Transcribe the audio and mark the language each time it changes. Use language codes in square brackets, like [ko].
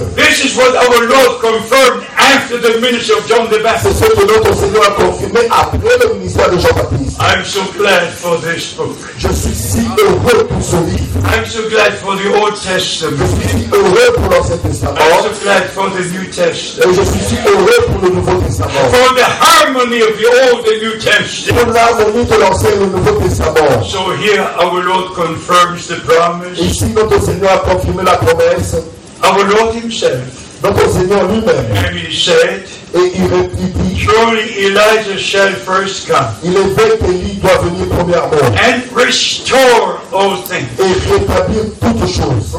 [en] This is what our Lord confirmed after the ministry of John the Baptist. [fr] C'est ce que notre Seigneur a confirmé après le ministère de Jean-Baptiste. [en] I'm so glad for this book. [fr] Je suis si heureux pour ce livre. [en] I'm so glad for the Old Testament. [fr] Je suis si heureux pour l'Ancien Testament. [en] I'm so glad for the New Testament. [fr] Et je suis si heureux pour le Nouveau Testament. [en] For the harmony of the Old and New Testament. [fr] Pour l'harmonie de l'Ancien et le Nouveau Testament. [en] So here our Lord confirms the promise. [fr] Ici notre Seigneur a confirmé la promesse. [en] Our Lord Himself. [fr] Notre Seigneur lui-même. [en] And He said. [fr] Et il dit, [en] surely Elijah shall first come. [fr] Il est vrai qu'Élie doit venir premièrement. [en] And restore all things. [fr] Et rétablir toutes choses.